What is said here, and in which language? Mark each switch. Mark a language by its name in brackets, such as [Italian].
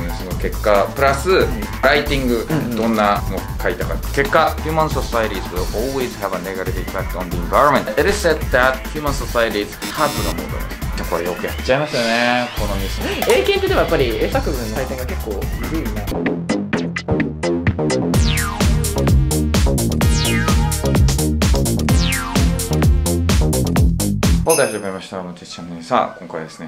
[Japanese] その結果プラス、うん、ライティング、うんうん、どんなの書いたか。 [English] 結果、Human societies will always have a negative effect on the environment. It is said that human societies have the model. [Japanese] これよくやっちゃいますよね、このミス。英検ってでもやっぱり英作文の採点が結構低いよね。お疲れ様でした。のてっちゃんね。さあ、今回ですね。